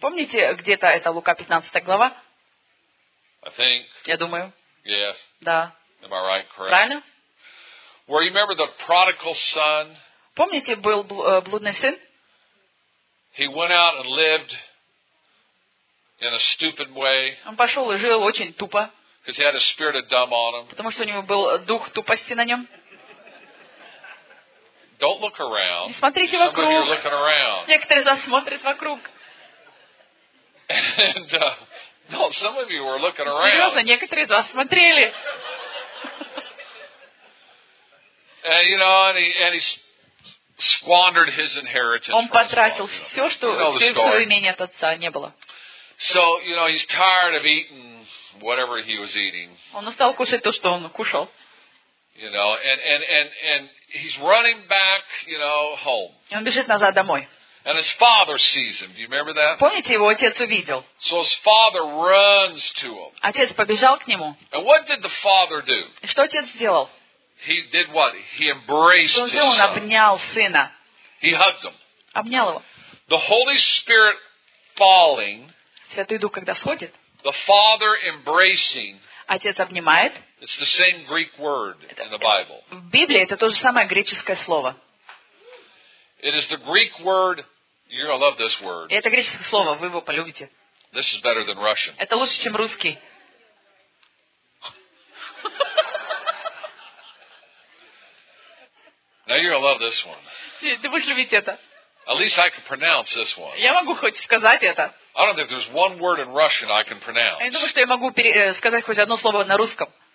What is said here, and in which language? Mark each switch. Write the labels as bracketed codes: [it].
[ru] Помните, где-то это Лука 15 глава? [en] I think. [ru] Я думаю. [en] Yes. [ru] Да. [en] Am I right? Correct. [ru] Правильно? [en] Where you remember the prodigal son? [ru] Помните, был блудный сын? [en] He went out and lived in a stupid way. [ru] Он пошел и жил очень тупо. [en] Because he had a spirit of dumb on him. [ru] Потому что у него был дух тупости на нем. [en] Don't look around. [ru] Не смотрите вокруг. [en] Some of you are looking around. [ru] Некоторые засмотрят вокруг. [en] And, no, some of you were looking around. [ru] Серьезно, некоторые засмотрели. [en] And you know, and he squandered his inheritance. [ru] Он потратил все, что свое имение от отца не было. [en] So, you know, he's tired of eating whatever he was eating. [ru] Он устал кушать то, что он кушал. [en] You know, and he's running back, you know, home. [ru] И он бежит назад домой. [en] And his father sees him. Do you remember that? [ru] Помните, его отец увидел. [en] So his father runs to him. [ru] Отец побежал к нему. [en] And what did the father do? [ru] И что отец сделал? [en] He did what? He embraced his son. [ru] Он обнял сына. [en] He hugged him. [ru] Обнял его. [en] The Holy Spirit falling. [ru] Святой Дух когда сходит. [en] The father embracing. [ru] Отец обнимает. [en] It's the same Greek word in the Bible. [ru] В Библии это то же самое греческое слово. [en] It is the Greek word. You're gonna love this word. [ru] Это греческое слово. Вы его полюбите. [en] This is better than Russian. [ru] Это лучше, чем русский. [en] Now you're gonna love this one. [ru] Ты будешь любить это. [en] At least I can pronounce this one. [ru] Я могу хоть сказать это. [en] I don't think there's one word in Russian I can pronounce. [ru] Я думаю, что я могу сказать хоть одно слово на русском.